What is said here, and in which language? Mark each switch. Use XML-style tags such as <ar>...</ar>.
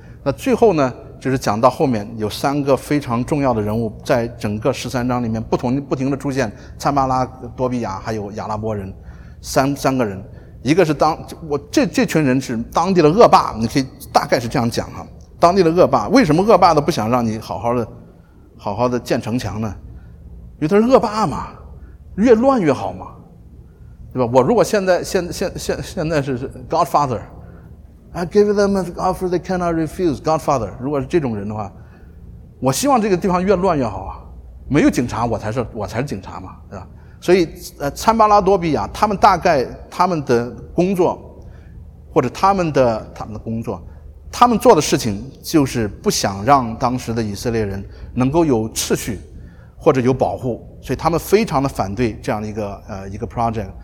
<zh>那最后呢，就是讲到后面有三个非常重要的人物在整个十三章里面不停的出现，参巴拉、多比亚还有亚拉伯人，三个人。一个是这群人是当地的恶霸，你可以大概是这样讲哈，当地的恶霸。为什么恶霸都不想让你好好的建城墙呢？因为他是恶霸嘛，越乱越好嘛，对吧？我如果现在是</zh> <en>Godfather，I give them an offer they cannot refuse, Godfather。</en> <zh>如果是这种人的话，我希望这个地方越乱越好啊！没有警察我才是警察嘛，对吧？所以参巴拉、多比亚他们大概他们的工作，或者他们的工作，他们做的事情就是不想让当时的以色列人能够有秩序或者有保护，所以他们非常的反对这样的一个 project。</zh>